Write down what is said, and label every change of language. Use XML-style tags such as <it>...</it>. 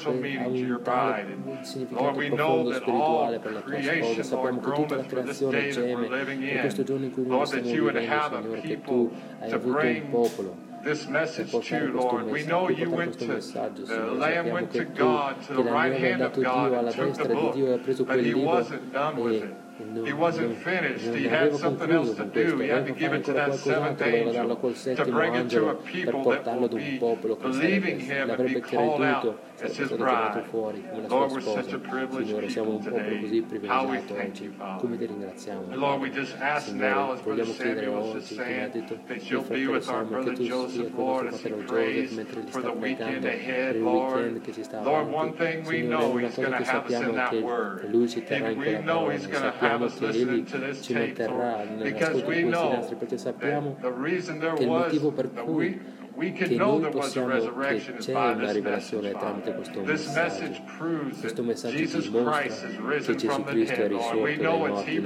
<it>Ha un significato profondo spirituale per la tua sposa. Sappiamo che tutta la creazione geme per questo giorno in cui noi stiamo vivendo, Signore, che tu hai avuto un popolo.</it> <en>This message to you, Lord. We know you went to the Lamb went to God to the right hand of God and took the book, but he wasn't done with it. He wasn't finished. He had something else to do. He had to give it to that seventh angel to bring it to a people that would be believing him and be called out as his bride. Lord, we're such a privileged people today. How we thank you, Father. Lord, we just ask now, as Brother Samuel was just saying, that you'll be with our brother Joseph, Lord, as he prays for the weekend ahead, Lord. Lord, one thing we know, he's going to have us in that word. We know he's going to have</en> <it>che Egli ci metterà nell'ascolto di questi nostri, perché sappiamo che il motivo per cui che noi possiamo, che c'è una rivelazione tramite questo messaggio. Questo messaggio ci dimostra che Gesù Cristo è risorto dai morti.</it>